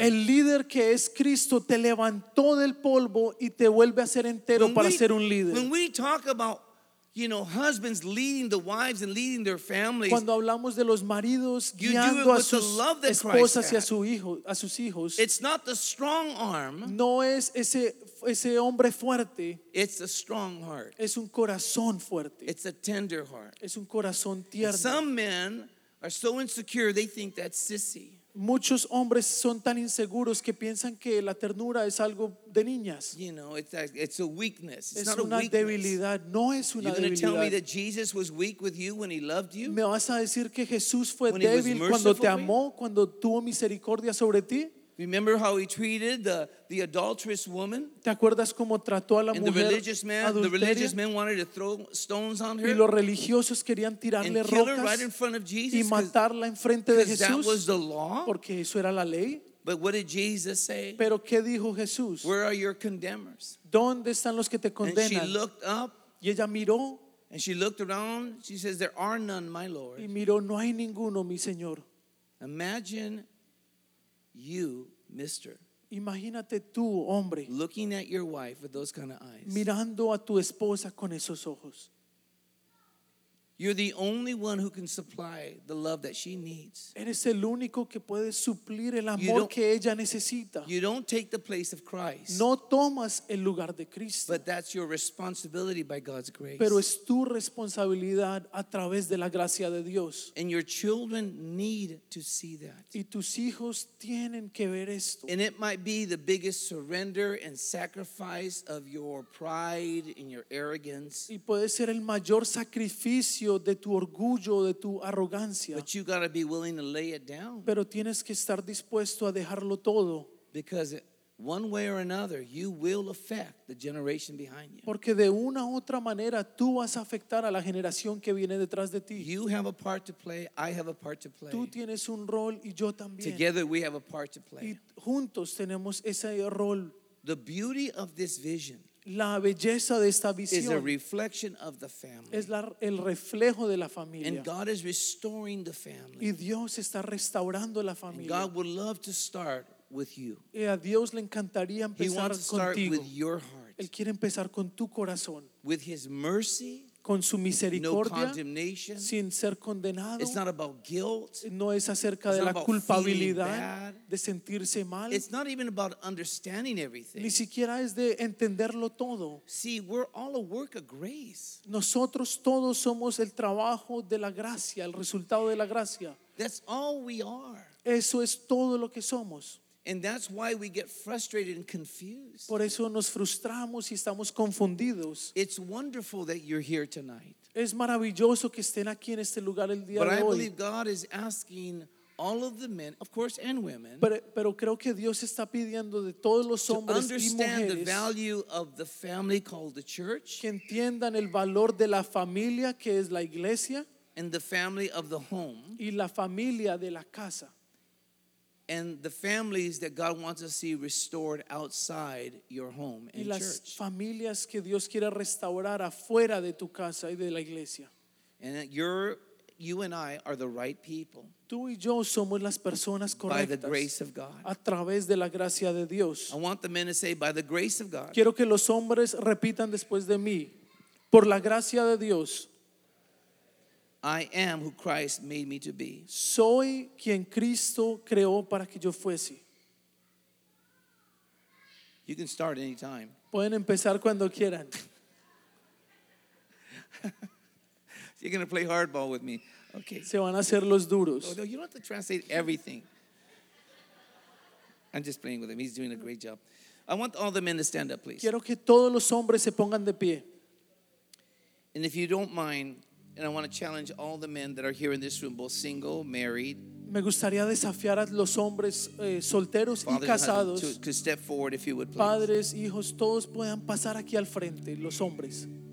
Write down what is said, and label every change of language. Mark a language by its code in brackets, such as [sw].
[es] El líder que es Cristo te levantó del polvo y te vuelve a ser entero para ser un líder. [en] When we talk about, you know, husbands leading the wives and leading their families, [es] cuando hablamos de los maridos guiando a sus esposas y a sus hijos, [en] it's not the strong arm. [es] No es ese hombre fuerte. [en] It's a strong heart. [es] Es un corazón fuerte. [en] It's a tender heart. [es] Es un corazón tierno. [en] Some men are so insecure they think that's sissy. [es] Muchos hombres son tan inseguros que piensan que la ternura es algo de niñas. [en] You know, it's a weakness. It's [es] es [en] not [es] una [en] a weakness. [es] Debilidad. No es una [en] You're [es] debilidad. [en] Tell me that Jesus was weak with you when he loved you? [es] ¿Me vas a decir que Jesús fue [en] when [es] débil cuando te amó, cuando tuvo misericordia sobre ti? [en] Remember how he treated the adulterous woman? [es] ¿Te acuerdas cómo trató a la mujer adulteria? [en] The religious men wanted to throw stones on her. [es] Y los religiosos querían tirarle [en] and [es] rocas [en] kill her right in front of Jesus [es] y matarla en frente de Jesús. [en] That was the law? [es] Porque eso era la ley. [en] But what did Jesus say? [es] ¿Pero qué dijo Jesús? [en] Where are your condemners? [es] ¿Dónde están los que te condenan? [en] And she looked up. [es] Y ella miró. [en] And she looked around. She says, there are none, my Lord. [es] Y miró, no hay ninguno, mi Señor. [en] Imagine you, mister. [es] Imagínate tú, hombre. [en] Looking at your wife with those kind of eyes. [es] Mirando a tu esposa con esos ojos. [en] You're the only one who can supply the love that she needs. [es] Eres el único que puede suplir el amor que ella necesita. [en] You don't take the place of Christ. [es] No tomas el lugar de Cristo. [en] But that's your responsibility by God's grace. [es] Pero es tu responsabilidad a través de la gracia de Dios. [en] And your children need to see that. [es] Y tus hijos tienen que ver esto. [en] And it might be the biggest surrender and sacrifice of your pride and your arrogance. [es] Y puede ser el mayor sacrificio de tu orgullo, de tu arrogancia. [en] But you gotta be willing to lay it down. [es] Pero tienes que estar dispuesto a dejarlo todo. [en] Because one way or another, you will affect the generation behind you. [es] Porque de una u otra manera, tú vas a afectar a la generación que viene detrás de ti. [en] You have a part to play, I have a part to play. [es] Tú tienes un rol y yo también. [en] Together we have a part to play. [es] Y juntos tenemos ese rol. [en] The beauty of this vision, [es] la belleza de esta visión, [en] is a reflection of the family. [es] Es el reflejo de la familia. [en] And God is restoring the family. [es] Y Dios está restaurando la familia. [en] And God would love to start with you. [es] Y a Dios le encantaría empezar contigo. [en] He wants to start with your heart. [es] Él quiere empezar con tu corazón. [en] With his mercy, [es] con su misericordia, [en] no condemnation, [es] sin ser condenado. [en] It's not about guilt. [es] No es acerca de la culpabilidad, de sentirse mal. [en] It's not even about understanding everything. [es] Ni siquiera es de entenderlo todo. [en] See, we're all a work of grace. [es] Nosotros todos somos el trabajo de la gracia, el resultado de la gracia. [en] That's all we are. [es] Eso es todo lo que somos. [en] And that's why we get frustrated and confused. [es] Por eso nos frustramos y estamos confundidos. [en] It's wonderful that you're here tonight. [es] Es maravilloso que estén aquí en este lugar el día de [en] But I believe God is asking all of the men, of course, and women. [es] Pero creo que Dios está pidiendo de todos los hombres y mujeres. [en] To understand the value of the family called the church. [es] Que entiendan el valor de la familia que es la iglesia. [en] And the family of the home. [es] Y la familia de la casa. [en] And the families that God wants to see restored outside your home and [es] y las [en] church. [es] Familias que Dios quiere restaurar afuera de tu casa y de la iglesia. [en] And you and I are the right people. [es] Tú y yo somos las personas correctas. [en] By the grace of God. [es] A través de la gracia de Dios. [en] I want the men to say, by the grace of God. [es] Quiero que los hombres repitan después de mí. Por la gracia de Dios. [en] I am who Christ made me to be. [es] Soy quien Cristo creó para que yo fuese. [en] You can start anytime. [es] Pueden empezar cuando quieran. [en] You're going to play hardball with me. Okay. [es] Se van a hacer los duros. [en] Oh, no, you don't have to translate everything. I'm just playing with him. He's doing a great job. I want all the men to stand up, please. [es] Quiero que todos los hombres se pongan de pie. [en] And if you don't mind, and I want to challenge all the men that are here in this room, both single, married. [es] Me gustaría desafiar a los hombres solteros y casados. [en] To step forward, if you would, please. [es] Padres, hijos, todos puedan pasar aquí al frente, los hombres.